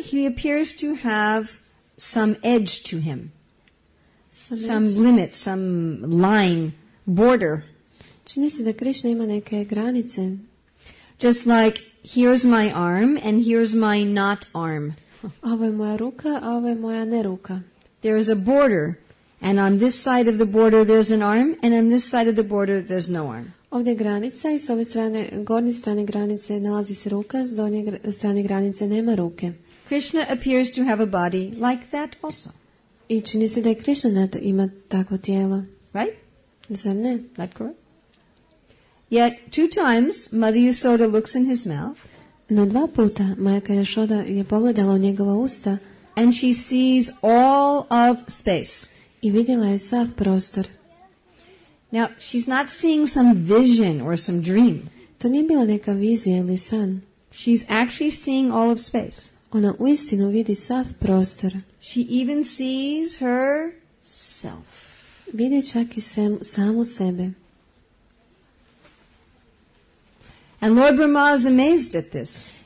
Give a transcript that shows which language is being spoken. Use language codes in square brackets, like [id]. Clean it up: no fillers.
[en] He appears to have some edge to him. Some limit, some line, border. [hr] Čini se da Krishna ima neke granice. [en] Just like, here's my arm and here's my not arm. [hr] Ovo je moja ruka, a ovo je moja ne ruka. [en] There is a border, and on this side of the border there's an arm, and on this side of the border there's no arm. [hr] Ovdje je granica i s ove strane, gornje strane granice nalazi se ruka, s donje strane granice nema ruke. [en] Krishna appears to have a body like that also. [hr] I čini se da je Krishna ima takvo tijelo. [en] Right? [hr] Zar ne? [en] That correct? Yet two times Mother Yasoda looks in his mouth. [hr] No dva puta Majka Yasoda je pogledala u njegova usta. [en] And she sees all of space. [hr] I vidjela je sav prostor. [en] Now she's not seeing some vision or some dream. [hr] To nije bila neka vizija ili san. [en] She's actually seeing all of space. [hr] Ona uistinu vidi sav prostor. [en] She even sees herself. [hr] Vidi čak i samu sebe. [en] And Lord Brahma is amazed at this.